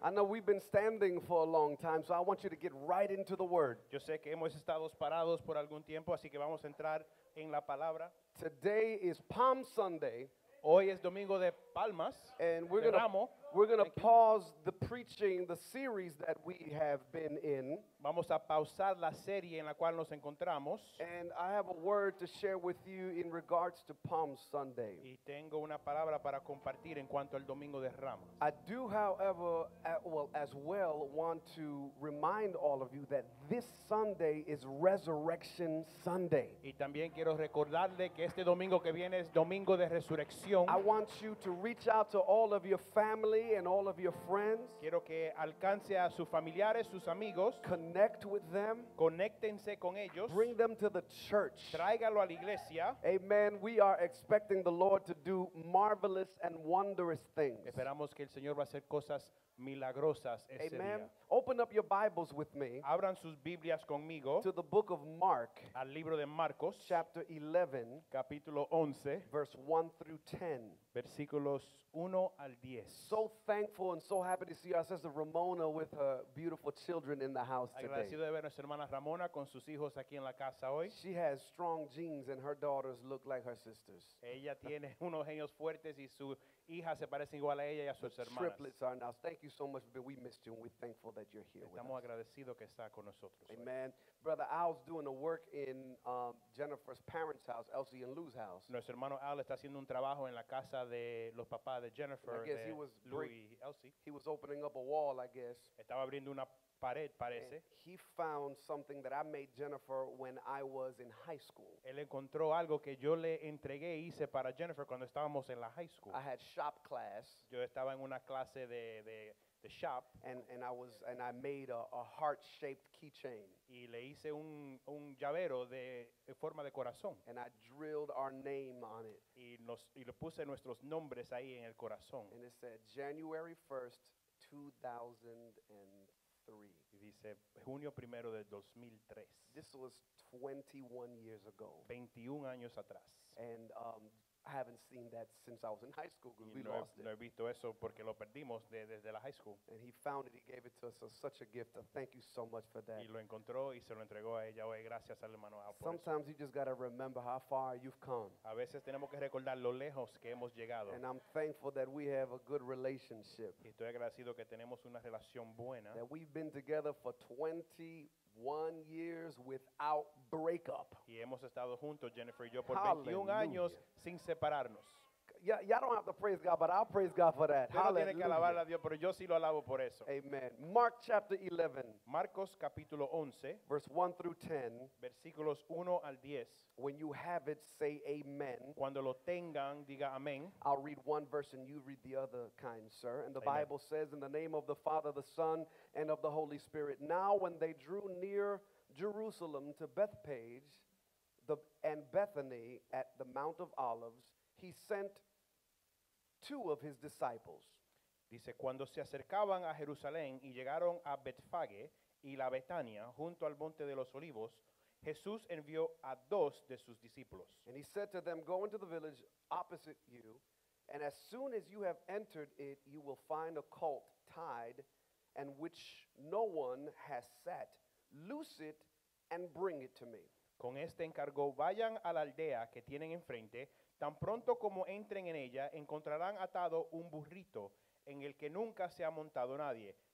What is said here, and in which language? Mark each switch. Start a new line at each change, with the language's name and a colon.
English: I know we've been standing for a long time, so I want you to get right into the word.
Spanish: Yo sé que hemos estado parados por algún tiempo, así que vamos a entrar en la palabra.
English: Today is Palm Sunday.
Spanish: Hoy es domingo de palmas.
English: And we're gonna pause the preaching, the series that we have been in.
Spanish: Vamos a pausar la serie en la cual nos encontramos.
English: And I have a word to share with you in regards to Palm Sunday.
Spanish: Y tengo una palabra para compartir en cuanto al Domingo de Ramos.
English: I do, however, as well want to remind all of you that this Sunday is Resurrection Sunday.
Spanish: Y también quiero recordarle que este domingo que viene es Domingo de Resurrección.
English: I want you to reach out to all of your family and all of your friends.
Spanish: Quiero que alcance a sus familiares, sus amigos.
English: Connect with them.
Spanish: Conéctense con ellos.
English: Bring them to the church.
Spanish: Tráigalo a la iglesia.
English: Amen. We are expecting the Lord to do marvelous and wondrous things.
Spanish: Esperamos que el Señor va a hacer cosas milagrosas ese día.
English: Amen. Open up your Bibles with me.
Spanish: Abran sus Biblias conmigo.
English: To the book of Mark.
Spanish: Al libro de Marcos.
English: Chapter 11.
Spanish: Capítulo 11.
English: Verse 1 through 10.
Spanish: Versículos 1 al 10.
English: So thankful and so happy to see our sister Ramona with her beautiful children in the house today.
Spanish: Agradecido de ver a nuestra hermana Ramona con sus hijos aquí en la casa hoy.
English: She has strong genes and her daughters look like her sisters.
Spanish: Ella tiene unos genios fuertes y su hija se parece igual a ella y a sus hermanas.
English: Triplets are now. Thank you so much, but we missed you and we're thankful that you're here.
Spanish: Estamos agradecidos que está con nosotros.
English: Amen. Brother Al's doing the work in Jennifer's parents' house, Elsie and Lou's house.
Spanish: Nuestro hermano Al está haciendo un trabajo en la casa de los papás de Jennifer, de Lou y Elsie.
English: He was opening up a wall, I guess.
Spanish: Estaba abriendo una pared, parece.
English: And he found something that I made Jennifer when I was in high school.
Spanish: Él encontró algo que yo le entregué e hice para Jennifer cuando estábamos en la
English: high school. I had shop class.
Spanish: Yo estaba en una clase de shop.
English: And I made a heart-shaped keychain.
Spanish: Y le hice un llavero de forma de corazón.
English: And I drilled our name on it.
Spanish: Y le puse nuestros nombres ahí en el corazón.
English: And it said January 1st, 2003.
Spanish: Dice junio primero de 2003.
English: This was 21 years ago.
Spanish: 21 años atrás.
English: And I haven't seen that since I was in high school because we lost it.
Spanish: No he visto eso porque lo perdimos desde la
English: high school. And he found it. He gave it to us. So such a gift. Thank you so much for that.
Spanish: Y lo encontró y se lo entregó a ella hoy. Gracias al hermano Al.
English: Sometimes
Spanish: eso.
English: You just got to remember how far you've come.
Spanish: A veces tenemos que recordar lo lejos que hemos llegado.
English: And I'm thankful that we have a good relationship.
Spanish: Y estoy agradecido que tenemos una relación buena.
English: That we've been together for 21 years without breakup.
Spanish: Y hemos estado juntos, Jennifer y yo, por 21 años sin separarnos.
English: Y'all don't have to praise God, but I'll praise God for that. Hallelujah.
Spanish: No tiene que alabar a Dios, pero yo sí lo alabo por eso.
English: Amen. Mark chapter 11.
Spanish: Marcos capítulo 11.
English: Verse 1 through 10.
Spanish: Versículos 1 al 10.
English: When you have it, say amen.
Spanish: Cuando lo tengan, diga amén.
English: I'll read one verse and you read the other kind, sir. And the amen. Bible says, in the name of the Father, the Son, and of the Holy Spirit. Now when they drew near Jerusalem to Bethpage and Bethany at the Mount of Olives, he sent two of his disciples.
Spanish: Dice, cuando se acercaban a Jerusalén y llegaron a Betfage y la Betania, junto al Monte de los Olivos, Jesús envió a dos de sus discípulos.
English: And he said to them, go into the village opposite you, and as soon as you have entered it, you will find a colt tied, and which no one has sat. Loose it and bring it to me.
Spanish: Con este encargó, vayan a la aldea que tienen enfrente. Tan pronto como entren en ella, encontrarán atado un burrito en el que nunca se ha montado nadie.